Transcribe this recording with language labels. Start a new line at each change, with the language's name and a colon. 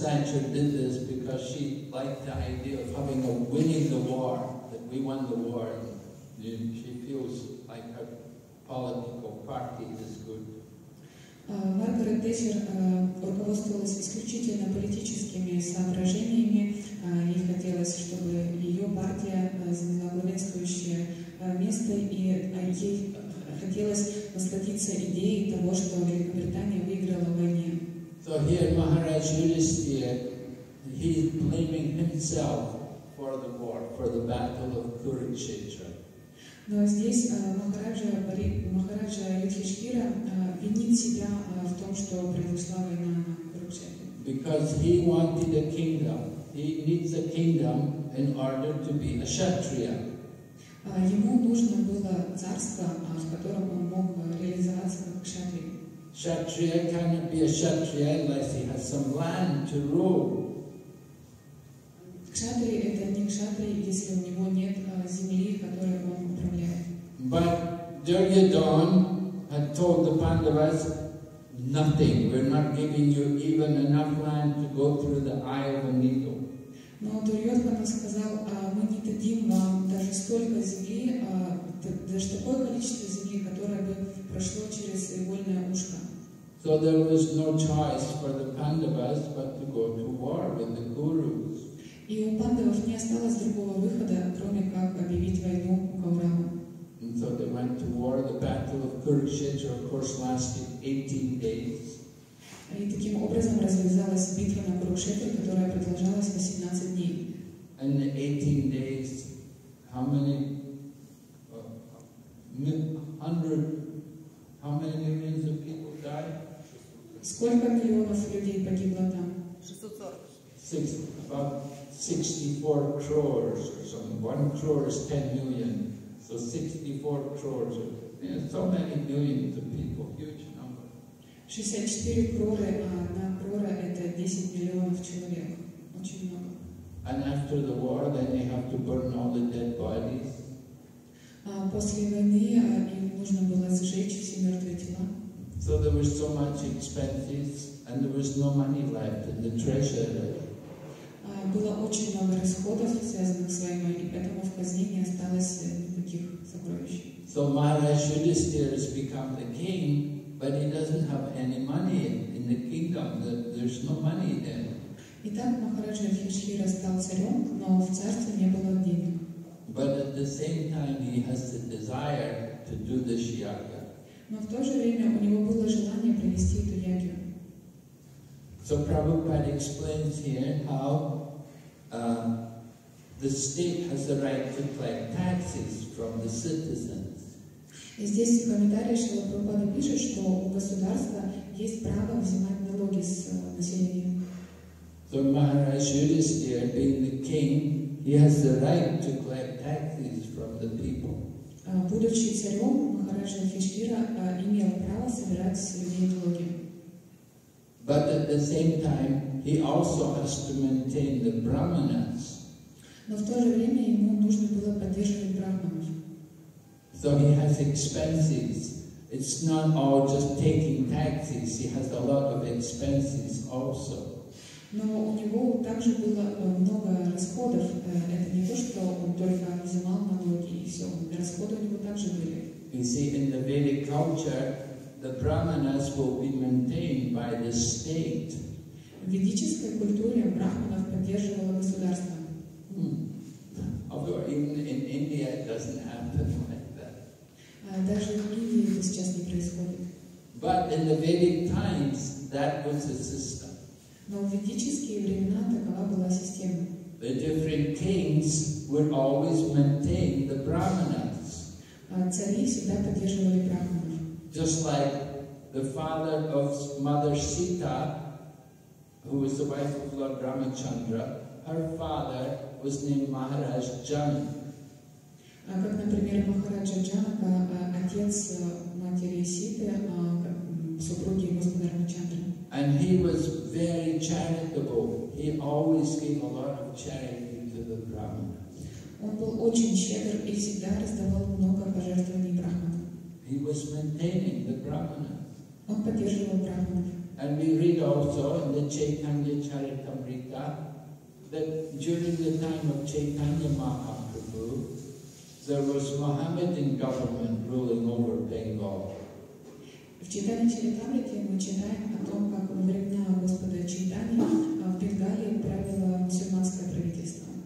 English: Thatcher did this because she liked the idea of having a winning the war, that we won the war, and she feels like her political party is good.
Russian: Маргарет Тэтчер руководствовалась исключительно политическими соображениями. Ей хотелось, чтобы ее партия заняла главенствующее место, и ей хотелось насладиться идеей того, что Великобритания выиграла в войне.
English: So here Maharaj Yudhisthira, he is blaming himself for the war, for the battle of Kurukshetra.
Russian: Но здесь Махараджа Юдхиштхира винит себя в том, что произошла война на Курукшетре.
English: Because he wanted a kingdom. He needs a kingdom in order to be a kshatriya.
Russian: Ему нужно было царство, в котором он мог реализоваться как кшатри.
English: Kshatriya cannot be a kshatriya unless he has some land to rule.
Russian: Кшатри — это не кшатри, если у него нет земли, которой он управляет.
English: But Duryodhana had told the Pandavas, nothing, we're not giving you even enough land to go through the eye of a needle.
Russian: Но Дурьотхана сказал, мы не дадим вам даже столько земли, даже такое количество земли, которое бы прошло через игольное ушко.
English: So there was no choice for the Pandavas but to go to war with the Gurus.
Russian: И у пандавов не осталось другого выхода, кроме как объявить войну Каурамам.
English: So they went to war. The battle of Kurukshetra, of course, lasted 18 days.
Russian: И таким образом развязалась битва на Курукшетре, которая продолжалась 18 дней.
English: In the 18 days, how many millions of people died?
Russian: Сколько миллионов людей погибло там?
English: 640. About 64 crores or something. 1 crore is 10 million. So 64 crores. So many millions of people. Huge number.
Russian: 64 crore, на crore это 10 миллионов человек. Очень много.
English: And after the war, then they have to burn all the dead bodies.
Russian: После войны им нужно было сжечь все мертвые тела.
English: So there was so much expenses and there was no money left in the treasure.
Russian: Было очень много расходов, связанных с войной, и поэтому в казне не осталось никаких сокровищ.
English: So Maharaj Yudhisthira has become the king, but he doesn't have any money in the kingdom. There's no money there.
Russian: Итак, Махараджа Юдхиштхира стал царем, но в царстве не было денег.
English: But at the same time, he has the desire to do the yagya.
Russian: Но в то же время у него было желание провести эту ягью.
English: So Prabhupada explains here how the state has the right to collect taxes from the citizens.
Russian: И здесь в комментариях Шрила Прабхупада пишет, что у государства есть право взимать налоги с населения.
English: So Maharaj Yudhisthira, being the king, he has the right to collect taxes from the people.
Russian: Будучи царем, Махарадж Юдхиштхира имел право собирать с людей налоги.
English: But at the same time, he also has to maintain the brahmanas.
Russian: Но в то же время ему нужно было поддерживать брахманов.
English: So he has expenses. It's not all just taking taxes. He has a lot of expenses also.
Russian: Но у него также было много расходов. Это не то, что он только взимал налоги и все. Расходы у него также были.
English: You see, in the Vedic culture, the brahmanas will be maintained by the state.
Russian: В ведической культуре брахманов поддерживало государство.
English: Although in India it doesn't happen like that.
Russian: Даже в Индии это сейчас не происходит.
English: But in the Vedic times that was the system.
Russian: Но в ведические времена такова была система.
English: The different kings would always maintain the brahmanas.
Russian: Цари всегда поддерживали брахманов.
English: Just like the father of Mother Sita, who was the wife of Lord Ramachandra, her father was named Maharaj Jana.
Russian: Как, например, Махараджа Джанака, отец матери Ситы, супруги господа Рамачандры.
English: And he was very charitable. He always gave a lot of charity to the Brahmanas.
Russian: Он был очень щедр и всегда раздавал много пожертвований Брахманам.
English: He was maintaining the Brahmana.
Russian: Он поддерживал Брахмана.
English: And we read also in the Chaitanya Charitamrita that during the time of Chaitanya Mahaprabhu, there was Mohammedan government ruling over Bengal.
Russian: В Читане Чаритамрите мы читаем о том, как во времена Господа Чайтанья в Бенгалии правило мусульманское правительство.